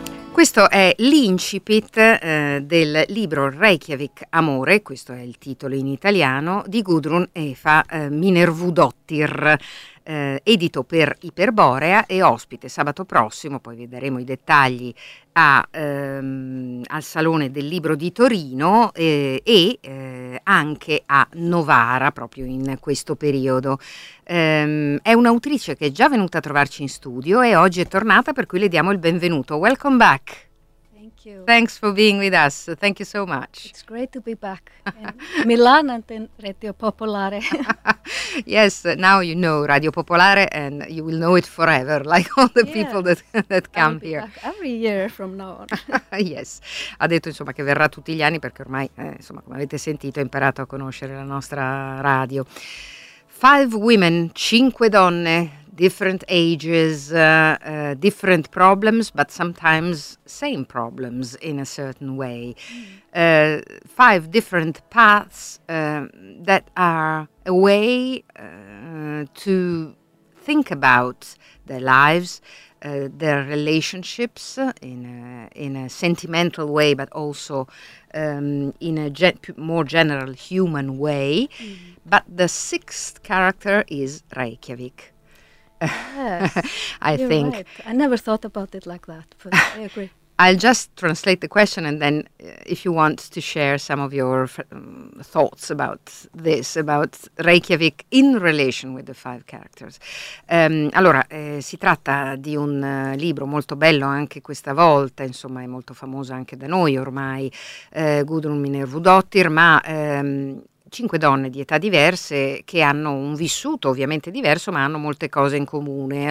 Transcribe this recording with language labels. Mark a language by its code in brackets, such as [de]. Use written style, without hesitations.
[it] Questo è l'incipit del libro Reykjavik Amore, questo è il titolo in italiano, di Gudrun Efa Minervudottir, edito per Iperborea e ospite sabato prossimo, poi vedremo i dettagli, al Salone del Libro di Torino anche a Novara proprio in questo periodo. È un'autrice che è già venuta a trovarci in studio e oggi è tornata, per cui le diamo il benvenuto. [en] Welcome back. Thank you. Thanks for being with us. Thank you so much. It's great to be back in Milan and in Radio Popolare. Yes, now you know Radio Popolare and you will know it forever, like all the people that come here. Back every year from now on. [it] Yes, ha detto insomma che verrà tutti gli anni, perché ormai, insomma, come avete sentito, ha imparato a conoscere la nostra radio. [en] Five women, [it] cinque donne. [en] Different ages, different problems, but sometimes same problems in a certain way. Five different paths that are a way to think about their lives, their relationships in a sentimental way, but also in a more general human way. Mm-hmm. But the sixth character is Reykjavik. Yes, I think. Right. I never thought about it like that, but I agree. I'll just translate the question, and then if you want to share some of your thoughts about this, about Reykjavik in relation with the five characters. [it] Si tratta di un libro molto bello anche questa volta, insomma è molto famoso anche da noi ormai, Gudrun Minervudottir, ma... cinque donne di età diverse che hanno un vissuto ovviamente diverso, ma hanno molte cose in comune.